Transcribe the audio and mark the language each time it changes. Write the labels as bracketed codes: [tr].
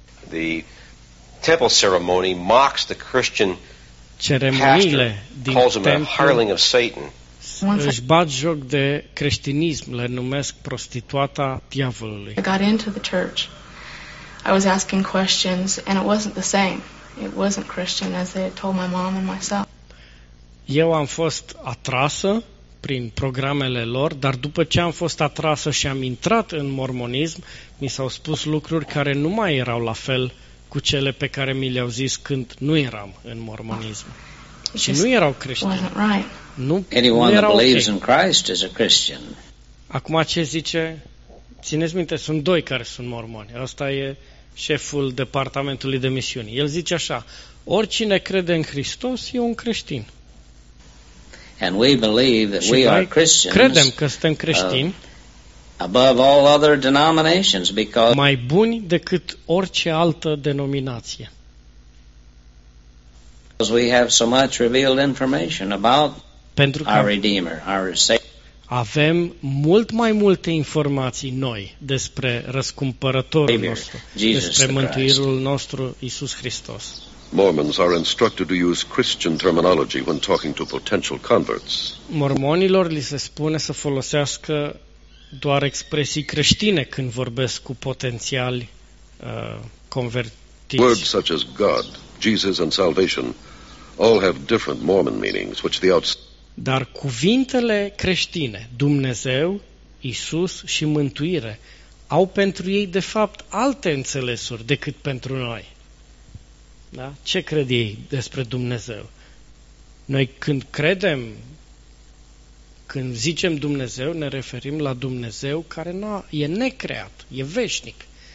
[en] The temple ceremony mocks the Christian [ro] ceremoniile din [en] temple. Of Satan. [ro] Își bat joc de creștinism, le numesc prostituata diavolului. [en] I got into the church. I was asking questions and it wasn't the same. It wasn't Christian as they had told my mom and myself. [ro] Eu am fost atrasă prin programele lor, dar după ce am fost atrasă și am intrat în mormonism, mi s-au spus lucruri care nu mai erau la fel cu cele pe care mi le-au zis când nu eram în mormonism. Și nu erau creștini. Nu, [en] anyone [ro] erau [en] that believes in Christ is a Christian. [ro] Acum ce zice? Țineți minte, sunt doi care sunt mormoni. Ăsta e șeful departamentului de misiuni. El zice așa, oricine crede în Hristos e un creștin. [en] And we believe that we are Christians. [ro] Credem că suntem creștini. [en] Above all other denominations, because [ro] mai buni decât orice altă denominație. [en] Because we have so much revealed information about our Redeemer, our Savior. [ro] Avem mult mai multe informații noi despre răscumpărătorul nostru, despre mântuirul nostru Iisus Hristos. [en] Mormons are instructed to use Christian terminology when talking to potential converts. [ro] Mormonilor li se spune să folosească doar expresii creștine când vorbesc cu potențiali convertiți. [en] Words such as God, Jesus and salvation all have different Mormon meanings which the outside. [ro] Dar cuvintele creștine, Dumnezeu, Iisus și mântuire au pentru ei, de fapt, alte înțelesuri decât pentru noi. Da? Ce cred ei despre Dumnezeu? Noi când credem, când zicem Dumnezeu, ne referim la Dumnezeu care nu e necreat, e veșnic.